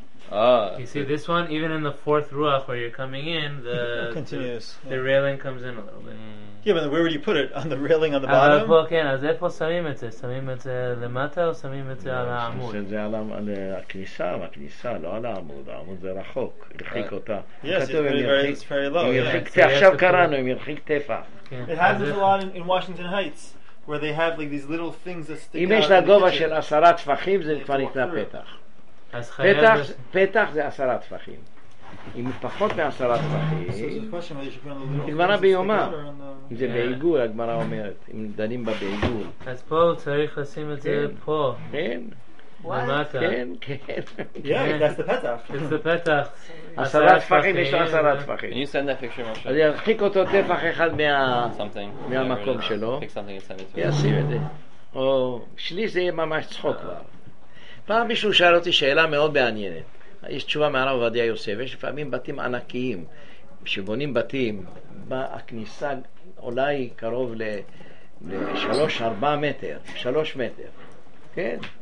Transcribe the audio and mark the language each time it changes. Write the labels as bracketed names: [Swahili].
[English] You see, this one, even in the fourth ruach where you're coming in, the railing comes in a little bit. Yeah, but where would you put it? On the railing on the bottom? [Hebrew] כן, אז איפה שמים את זה? שמים את זה למטה או שמים את זה על העמוד? זה על הכניסה, לא על העמוד. העמוד זה רחוק, הרחיק אותה. [English] Yes, it's very low. [Hebrew] עכשיו קראנו, הם הרחיק טפח. [English] It happens a lot in Washington Heights. Where they have like these little things that stick out. [Hebrew] אם יש לגובה של 10 טפחים זה כבר נקרא פתח. פתח, פתח זה 10 טפחים. אם פחות מ-10 טפחים, הגמרא ביומה. אם זה בעיגול, הגמרא אומרת, אם דנים בה בעיגול. אז פה צריך לשים את זה פה. כן. למטה. כן, כן. [English] Yeah, that's the פתח. It's the פתח. [Hebrew] 10 טפחים, יש 10 טפחים. [English] Can you send that picture, Moshe? [Hebrew] אז ירחיק אותו טפח אחד מהמקום שלו. יסיר את זה. או, שלי זה יהיה ממש צחוק כבר. פעם מישהו שאל אותי שאלה מאוד מעניינת. יש תשובה מהרב עובדיה יוסף. יש לפעמים בתים ענקיים, שבונים בתים, הכניסה אולי קרוב ל-3-4 מטר, 3 מטר. כן?